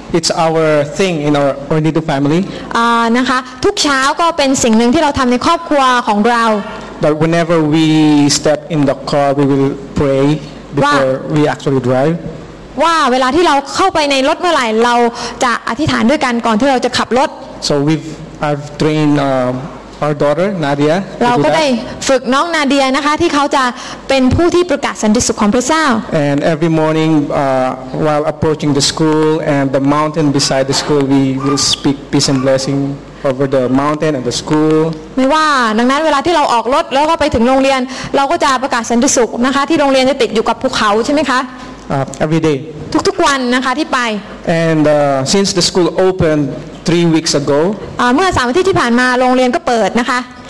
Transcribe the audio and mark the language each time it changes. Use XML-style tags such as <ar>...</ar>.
<en>It's our thing in our Ornito family.</en> <th>นะคะทุกเช้าก็เป็นสิ่งหนึ่งที่เราทำในครอบครัวของเรา</th> <en>But whenever we step in the car, we will pray before we actually drive.</en> <th>ว่าเวลาที่เราเข้าไปในรถเมื่อไหร่เราจะอธิษฐานด้วยกันก่อนที่เราจะขับรถ</th> <en>So I've trained our daughter Nadia.</en> <th>เราก็ได้ฝึกน้องนาเดียนะคะที่เขาจะเป็นผู้ที่ประกาศสันติสุขของพระเจ้า</th> <en>And every morning while approaching the school and the mountain beside the school we will speak peace and blessing over the mountain and the school</en> <th>ไม่ว่าดังนั้นเวลาที่เราออกรถแล้วก็ไปถึงโรงเรียนเราก็จะประกาศสันติสุขนะคะที่โรงเรียนจะติดอยู่กับภูเขาใช่มั้ยคะ</th> <en>Every day</en> <th>ทุกวันนะคะที่ไป</th> <en>And since the school opened 3 weeks ago</en> <th>เมื่อ3อาทิตย์ที่ผ่านมาโรงเรียนก็เปิดนะคะ</th>